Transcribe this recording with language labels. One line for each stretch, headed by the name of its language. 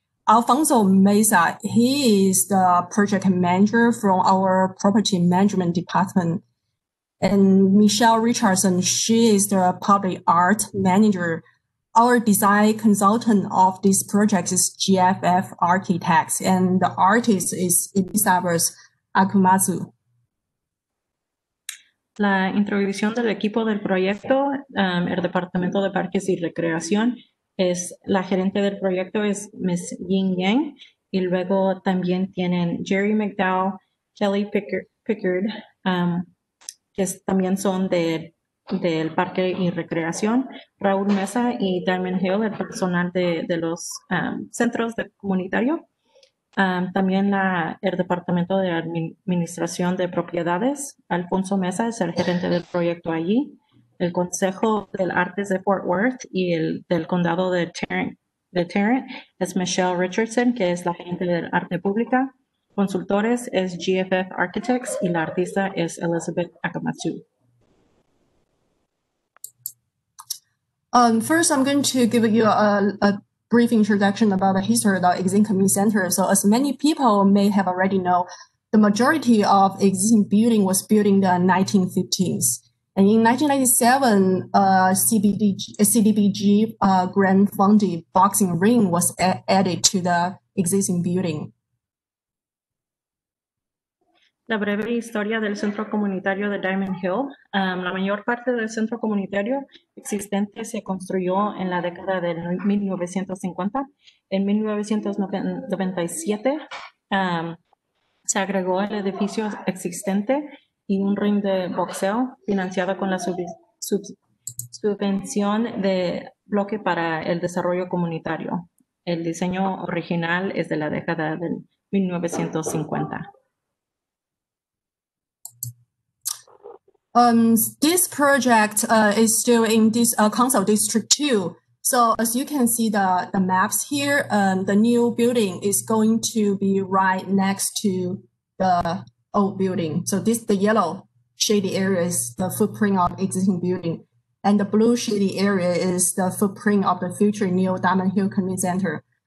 English: Alfonso Mesa, he is the project manager from our property management department. And Michelle Richardson, she is the public art manager. Our design consultant of this project is GFF Architects, and the artist is Elizabeth Akumatsu.
Spanish: La introducción del equipo del proyecto, el Departamento de Parques y Recreación, es la gerente del proyecto es Ms. Ying Yang, y luego también tienen Jerry McDowell, Kelly Pickard, que también son del parque y recreación, Raúl Mesa y Diamond Hill, el personal de los centros de comunitario. También el Departamento de Administración de Propiedades, Alfonso Mesa es el gerente del proyecto allí, el Consejo del Artes de Fort Worth y el del Condado de Tarrant es Michelle Richardson, que es la gerente del arte pública, consultores es GFF Architects y la artista es Elizabeth Akamatsu.
English: First, I'm going to give you a brief introduction about the history of the existing community center. So as many people may have already know, the majority of existing building was built in the 1950s. And in 1997, CDBG grant funded boxing ring was added to the existing building.
Spanish: La breve historia del centro comunitario de Diamond Hill. La mayor parte del centro comunitario existente se construyó en la década de 1950. En 1997 se agregó el edificio existente y un ring de boxeo financiado con la subvención de bloque para el desarrollo comunitario. El diseño original es de la década de 1950.
English: This project is still in this council district 2. So as you can see the maps here, the new building is going to be right next to the old building. So this the yellow shady area is the footprint of existing building, and the blue shady area is the footprint of the future new Diamond Hill Community Center.